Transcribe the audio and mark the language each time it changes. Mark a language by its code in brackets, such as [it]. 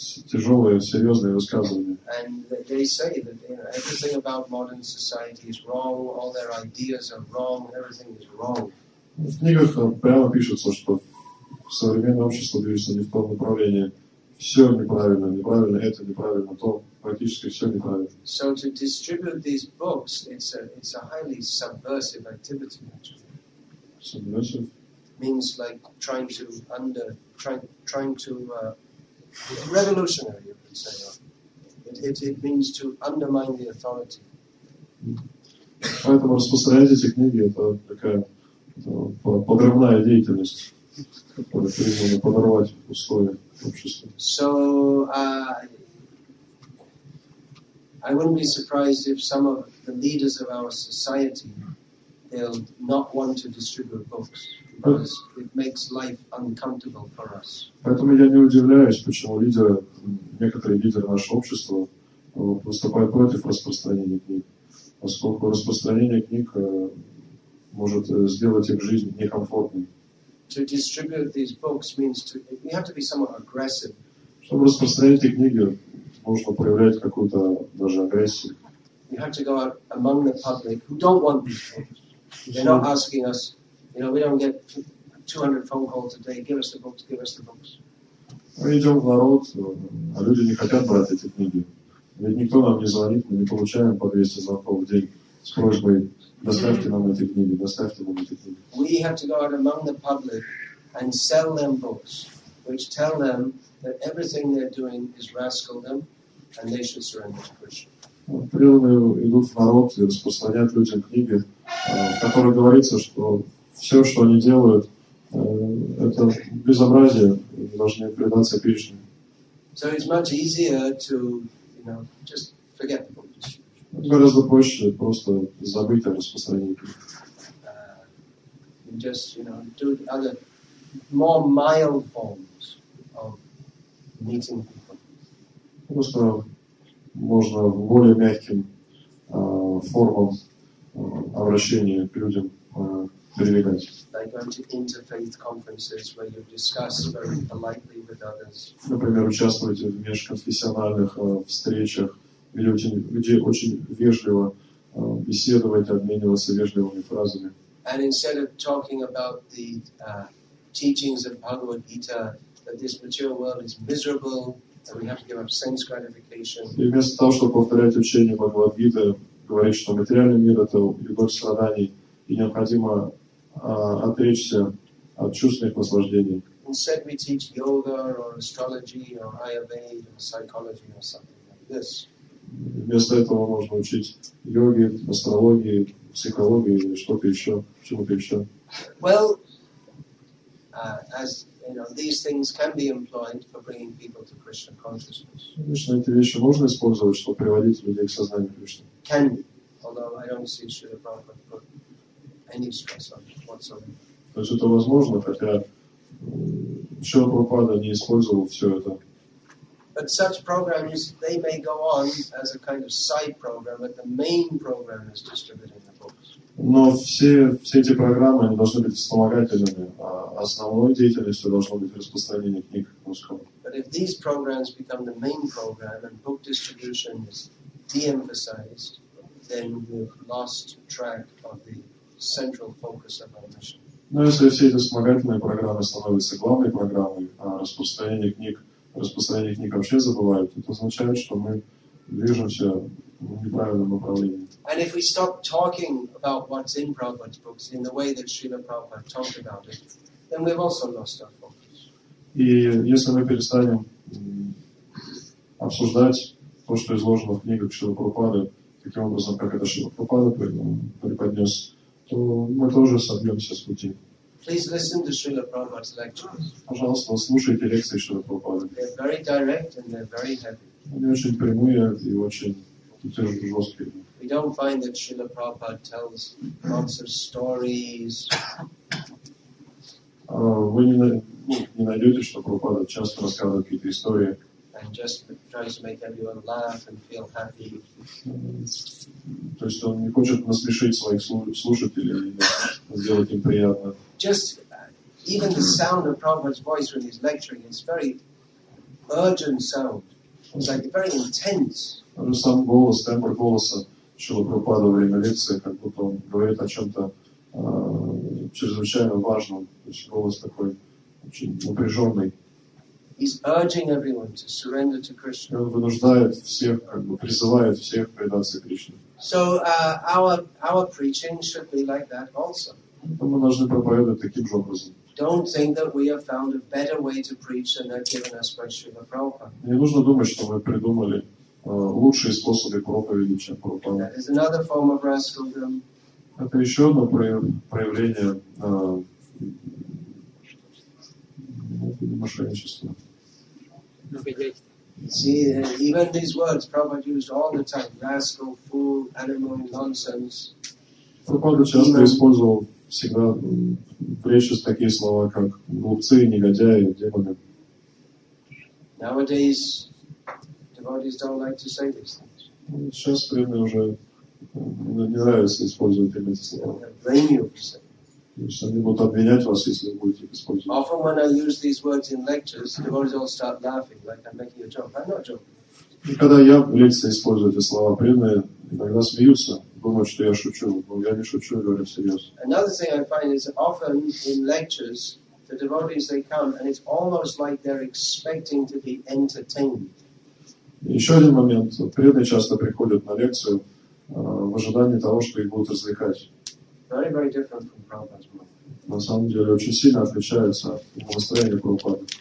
[ru] Тяжелые, серьезные высказывания. [en] And they say that, you know, everything about modern society is wrong, all their ideas are wrong, everything is wrong. [ru] В книгах прямо пишется, что современное общество движется не в том направлении. Все неправильно, неправильно это, неправильно то, практически все неправильно. [en] So to distribute these books, it's a highly subversive activity, actually. Subversive? Means like revolutionary, you could say. It means to undermine the authority. [ru] Поэтому распространять эти книги — это такая подрывная деятельность, призванная подорвать условия общества. [en] So I wouldn't be surprised if some of the leaders of our society, they'll not want to distribute books. Because it makes life uncomfortable for us. [ru] Поэтому я не удивляюсь, почему некоторые лидеры нашего общества выступают против распространения книг, поскольку распространение книг может сделать их жизнь некомфортной. [en] To distribute these books means you have to be somewhat aggressive. [ru] Чтобы распространять эти книги, нужно проявлять какую-то даже агрессию. [en] You have to go out among the public who don't want these books. They're not asking us. You know, we don't get 200 phone calls a day. Give us the books. Give us the books. [ru] Мы идем в народ, а люди не хотят брать эти книги. Ведь никто нам не звонит, мы не получаем по 200 звонков в день с просьбой: доставьте нам эти книги, доставьте нам эти книги. [en] We have to go out among the public and sell them books, which tell them that everything they're doing is rascaldom, and they should surrender to Krishna. [ru] Преданные идут в народ и распространяют людям книги, в которых говорится, что все, что они делают, это безобразие, они должны предаться Кришне. [en] So it's much easier to, you know, just forget the book. [ru] Гораздо проще просто забыть о распространении. [en] And just, you know, do other more mild forms of meeting people. [ru] Просто можно в более мягким формам обращения к людям. [en] Like going to interfaith conferences where you discuss very politely with others. [ru] Например, участвуйте в межконфессиональных встречах, где очень вежливо беседовать, обмениваться вежливыми фразами. [en] And instead of talking about the teachings of Bhagavad Gita, that this material world is miserable, that we have to give up sense gratification. [ru] И вместо того, чтобы повторять учение Бхагавад Гита, говорить, что материальный мир — это любовь страданий, и необходимо отречься от чувственных наслаждений. [en] Instead we teach yoga or astrology or Ayurveda or psychology or something like this. [ru] Вместо этого можно учить йоги, астрологии, психологии или что-то еще, чему-то еще. [en] Well, as you know, these things can be employed for bringing people to Krishna consciousness. [ru] Конечно, эти вещи можно использовать, чтобы приводить людей к сознанию Кришны. [en] Can be, although I don't see Srila Prabhupada put any stress on it whatsoever. [ru] То есть это возможно, хотя Шрила Прабхупада не использовал все это. [en] But such programs, they may go on as a kind of side program, but the main program is distributing the books. [ru] Но все эти программы должны быть вспомогательными, а основной деятельностью должно быть распространение книг русского. [en] But if these programs become the main program and book distribution is de-emphasized, then we've lost track of the central focus of our mission. [ru] Но если все эти вспомогательные программы становятся главной программой, а распространение книг вообще забывают, это означает, что мы движемся в неправильном направлении. [en] And if we stop talking about what's in Prabhupada's books in the way that Srila Prabhupada talked about it, then we've also lost our focus. [ru] И если мы перестанем обсуждать то, что изложено в книгах Шрилы Прабхупады, таким образом, как это Шрила Прабхупада преподнес, то мы тоже собьемся с пути. [en] Please listen to Srila Prabhupada's lectures. [ru] Пожалуйста, слушайте лекции Шрилы Прабхупады. [en] They're very direct and they're very heavy. [ru] Они очень прямые и очень жесткие. [en] We don't find that Srila Prabhupada tells lots of stories. [ru] Вы не найдете, что Прабхупада часто рассказывает какие-то истории. [en] And just tries to make everyone laugh and feel happy. [ru] То есть он не хочет насмешить своих слушателей и сделать им приятно. [en] Just even the sound of Prabhupada's voice when he's lecturing is very urgent sound. It's like very intense. [ru] Даже сам голос, тембр голоса Шрилы Прабхупады во время лекции, как будто он говорит о чем-то чрезвычайно важном. То есть голос такой очень напряженный. [en] He's urging everyone to surrender to Krishna. [ru] Он вынуждает всех, как бы призывает всех предаться Кришне. [en] So our preaching should be like that also. [ru] Мы должны проповедовать таким же образом. [en] Don't think that we have found a better way to preach than that given us by Srila Prabhupada. [ru] Не нужно думать, что мы придумали лучшие способы проповеди, чем Прабхупада. [en] That is another form of rascaldom. [ru] Это еще одно проявление мошенничества. [en] See, even these words Prabhupada used all the time: rascal, fool, animal, nonsense. [ru] Прабхупада часто использовал всегда прежде такие слова, как глупцы, негодяи, демоны. [en] Nowadays, devotees don't like to say these things. [ru] Сейчас преданные уже не нравится использовать эти слова. [en] Blame you for saying. [ru] То есть они будут обвинять вас, если вы будете использовать. [en] Often when I use these words in lectures, devotees all start laughing, like I'm making a joke. I'm not joking. [ru] И когда я в лекции использую эти слова, преданные иногда смеются. Думают, что я шучу, но я не шучу, говорю всерьез. [en] Another thing I find is often in lectures the devotees they come and it's almost like they're expecting to be entertained. [ru] Еще один момент: преданные часто приходят на лекцию в ожидании того, что их будут развлекать. [en] Very, very different from Prabhupada's mind. [ru] На самом деле очень сильно отличается от настроения Прабхупады.